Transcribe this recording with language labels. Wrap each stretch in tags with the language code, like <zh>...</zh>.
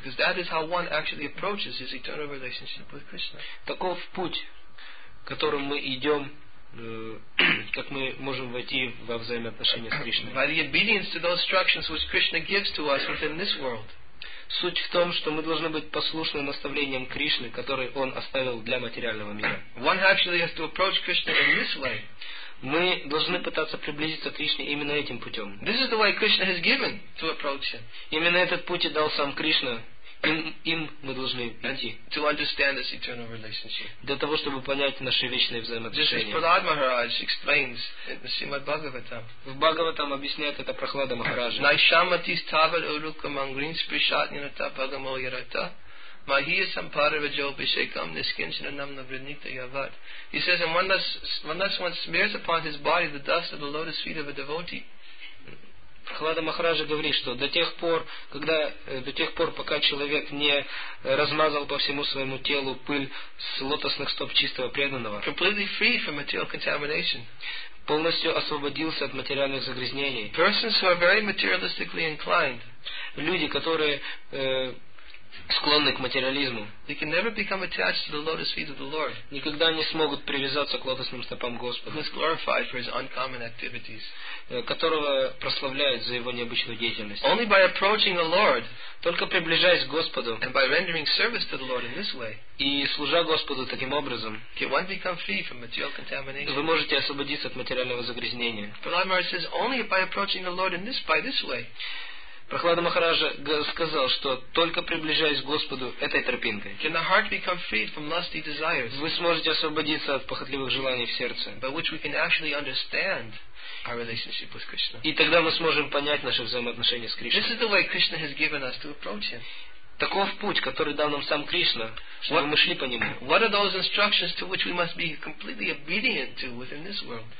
<en>Because that is how one actually approaches his eternal relationship with Krishna.</en> <ru>Таков путь, которым мы идем, как мы можем войти во взаимоотношения с Кришной.</ru> <en>By the obedience to those instructions which Krishna gives to us within this world.</en> <ru>Суть в том, что мы должны быть послушны наставлениям Кришны, которые Он оставил для материального мира.</ru> <en>One actually has to approach Krishna in this way.</en> <ru>Мы должны пытаться приблизиться к Кришне именно этим путем.</ru> <en>This is the way Krishna has given to approach Him.</en> <ru>Именно этот путь и дал сам Кришна. Им мы должны идти.</ru> <en>To understand this eternal relationship.</en> <ru>Для того, чтобы понять наши вечные взаимоотношения.</ru> <en>This is Prahlad Maharaj explains in the Srimad Bhagavatam.</en> <ru>В Бхагаватам объясняет это Прохлада Махараджа.</ru> <sa>Найшамати ставал урука мангрин спришатнината бхагамо ярата. Mahiya Samparavajobishekam Niskinchinam Navrinita Yavat.</sa> <en>He says, and one smears upon his body the dust of the lotus feet of a devotee.</en> <ru>Прохлада Махараджа говорит, что до тех пор, пока человек не размазал по всему своему телу пыль с лотосных стоп чистого преданного,</ru> <en>completely free from material contamination.</en> <ru>Полностью освободился от материальных загрязнений.</ru> <en>Persons who are very materialistically inclined.</en> <ru>Люди, которые склонны к материализму.</ru> <en>They can never become attached to the lotus feet of the Lord.</en> <ru>Никогда не смогут привязаться к лотосным стопам Господа.</ru> <en>Who is glorified for his uncommon activities.</en> <ru>Которого прославляют за его необычную деятельность.</ru> <en>Only by approaching the Lord.</en> <ru>Только приближаясь к Господу.</ru> <en>And by rendering service to the Lord in this way.</en> <ru>И служа Господу таким образом.</ru> <en>Can one become free from material contamination?</en> <ru>Вы можете освободиться от материального загрязнения.</ru> <en>Prahlad Maharaj says only by approaching the Lord in this by this way.</en> <ru>Прохлада Махараджа сказал, что только приближаясь к Господу этой тропинкой,</ru> <en>can the heart become freed from lusty desires,</en> <ru>вы сможете освободиться от похотливых желаний в сердце.</ru> <en>By which we can actually understand our relationship with Krishna.</en> <ru>И тогда мы сможем понять наши взаимоотношения с Кришной.</ru> <en>This is the way Krishna has given us to approach Him.</en> <ru>Таков путь, который дал нам сам Кришна, чтобы мы шли по нему.</ru> <en>What are those instructions to which we must be completely obedient to within this world?</en>